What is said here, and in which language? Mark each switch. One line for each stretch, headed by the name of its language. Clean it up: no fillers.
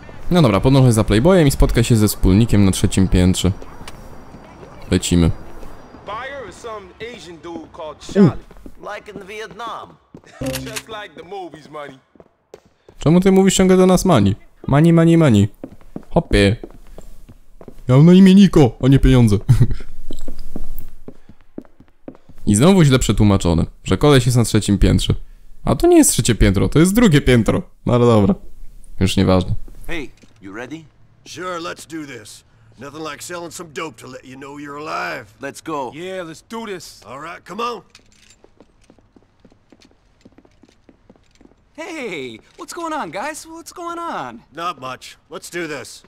Polish: No dobra, podążaj za Playboyem i spotkaj się ze wspólnikiem na trzecim piętrze. Lecimy.
English: Buyer or some Asian dude called Charlie. Like in Vietnam. Just like the movies, money.
Polish: Czemu ty mówisz ciągle do nas money?
English: Money, money, money.
Polish: Hopie. Ja mam na imię Niko, a nie pieniądze. I znowu źle przetłumaczone, że koleś jest na trzecim piętrze. A to nie jest trzecie piętro, to jest drugie piętro. No ale dobra. Już nieważne.
English: Hey, you ready? Sure, let's do this. Nothing like selling some dope to let you know you're alive. Let's go. Yeah, let's do this. All right, come on. Hey, what's going on, guys? What's going on? Not much. Let's do this.